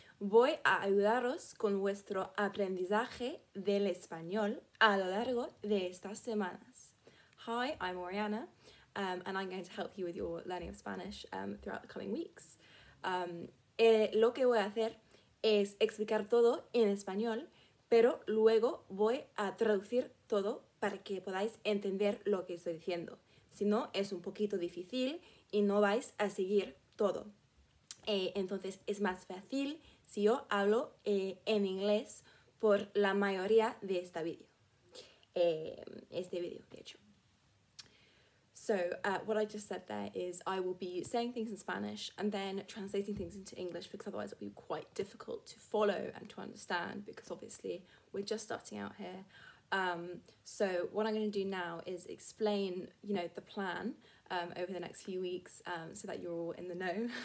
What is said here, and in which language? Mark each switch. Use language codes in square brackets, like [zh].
[es] Voy a ayudaros con vuestro aprendizaje del español a lo largo de estas semanas. [en] Hi, I'm Oriana, and I'm going to help you with your learning of Spanish throughout the coming weeks. [es] Lo que voy a hacer es explicar todo en español, pero luego voy a traducir todo para que podáis entender lo que estoy diciendo. Si no, es un poquito difícil y no vais a seguir todo. Entonces, es más fácil si yo hablo en inglés por la mayoría de este vídeo. Este vídeo, de hecho. [en] So, what I just said there is I will be saying things in Spanish and then translating things into English because otherwise it will be quite difficult to follow and to understand because obviously we're just starting out here. So what I'm going to do now is explain, you know, the plan over the next few weeks so that you're all in the know.